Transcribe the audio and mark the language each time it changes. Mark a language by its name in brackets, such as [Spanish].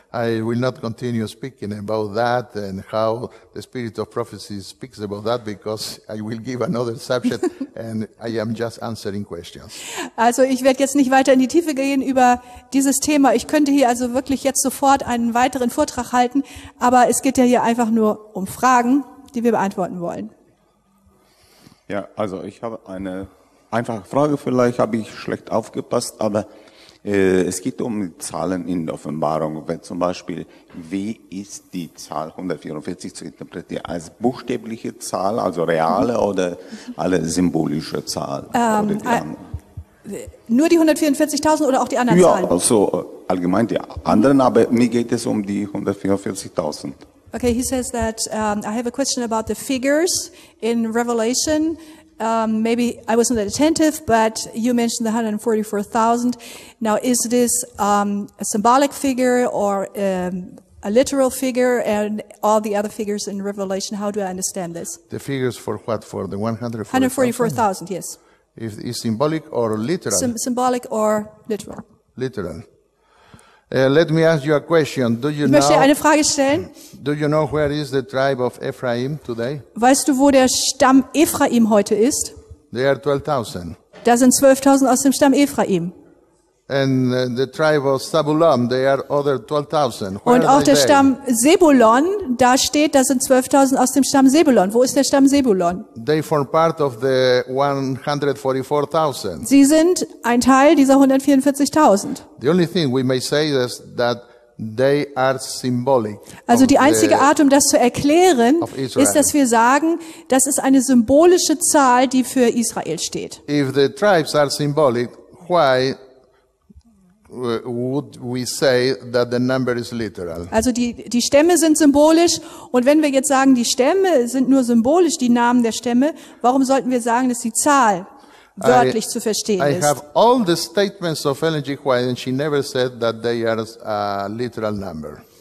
[English] I will not continue speaking about that and how the spirit of prophecy speaks about that, because I will give another subject and I am just answering questions. [German] Also ich werde jetzt nicht weiter in die Tiefe gehen über dieses Thema. Ich könnte hier also wirklich jetzt sofort einen weiteren Vortrag halten, aber es geht ja hier einfach nur um Fragen, die wir beantworten wollen. Ja, also ich habe eine einfache Frage, vielleicht habe ich schlecht aufgepasst, aber es geht um die Zahlen in der Offenbarung. Wenn zum Beispiel, wie ist die Zahl 144 zu interpretieren? Als buchstäbliche Zahl, also reale oder alle symbolische Zahl? Nur die 144.000 oder auch die anderen, ja, Zahlen? Ja, also allgemein die anderen, aber mir geht es um die 144.000. [English] Okay, he says that I have a question about the figures in Revelation. Maybe I wasn't that attentive, but you mentioned the 144,000. Now, is this a symbolic figure or a literal figure, and all the other figures in Revelation? How do I understand this? The figures for what? For the 144,000? 144,000, yes. Is it symbolic or literal? Symbolic or literal. Literal. Let me ask you a question. Do you know, [German] eine Frage stellen. [English] Do you know where is the tribe of Ephraim today? [German] Weißt du, wo der Stamm Ephraim heute ist? [English] There are 12,000. [German] Da sind 12,000 aus dem Stamm Ephraim. [English] And the tribe of Zebulun, there are other 12,000. [German] Und auch der Stamm Zebulon, da steht, da sind 12,000 aus dem Stamm Zebulon. Wo ist der Stamm Zebulon? [English] They form part of the 144,000. [German] Sie sind ein Teil dieser 144,000. [English] The only thing we may say is that they are symbolic. [German] Also die einzige Art, um das zu erklären, ist, dass wir sagen, das ist eine symbolische Zahl, die für Israel steht. [English] If the tribes are symbolic, why would we say that the number is literal? [German] Also die Stämme sind symbolisch, und wenn wir jetzt sagen, die Stämme sind nur symbolisch, die Namen der Stämme, warum sollten wir sagen, dass die Zahl wörtlich zu verstehen ist? [English] I have all the statements of Ellen G. White, and she never said that they are a literal number.